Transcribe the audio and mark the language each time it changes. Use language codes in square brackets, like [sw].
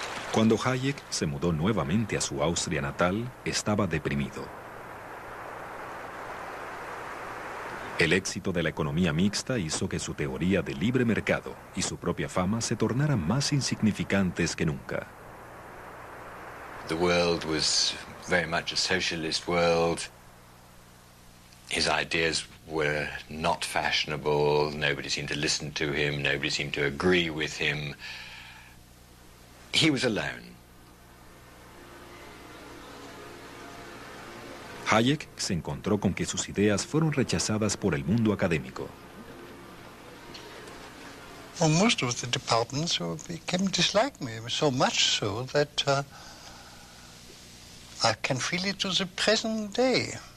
[es] Cuando Hayek se mudó nuevamente a su Austria natal, estaba deprimido. El éxito de la economía mixta hizo que su teoría de libre mercado y su propia fama se tornaran más insignificantes que nunca. [en] The world was very much a socialist world. His ideas were not fashionable. Nobody seemed to listen to him. Nobody seemed to agree with him. He was alone. [es] Hayek se encontró con que sus ideas fueron rechazadas por el mundo académico. [en] Well, most of the departments became dislike me, so much so that I can feel it to the present day.